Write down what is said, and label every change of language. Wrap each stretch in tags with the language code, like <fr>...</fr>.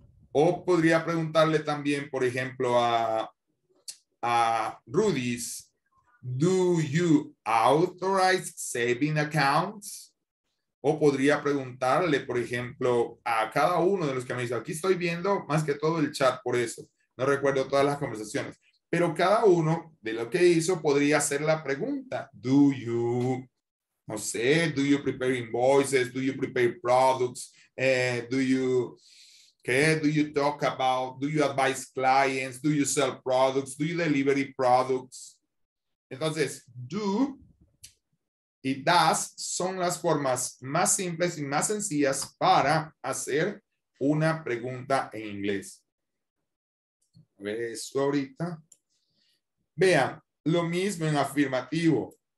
<es>O podría preguntarle también, por ejemplo, a Rudis,</es> <en>do you authorize saving accounts?</en> <es>O podría preguntarle, por ejemplo, a cada uno de los que me dice, aquí estoy viendo más que todo el chat, por eso no recuerdo todas las conversaciones. Pero cada uno de lo que hizo podría hacer la pregunta.</es> <en>Do you,</en> <es>no sé,</es> <en>do you prepare invoices? Do you prepare products? Do you, ¿qué? Do you talk about, do you advise clients? Do you sell products? Do you deliver products?</en> <es>Entonces, do y does son las formas más simples y más sencillas para hacer una pregunta en inglés. A ver eso ahorita. Vean, lo mismo en afirmativo.</es>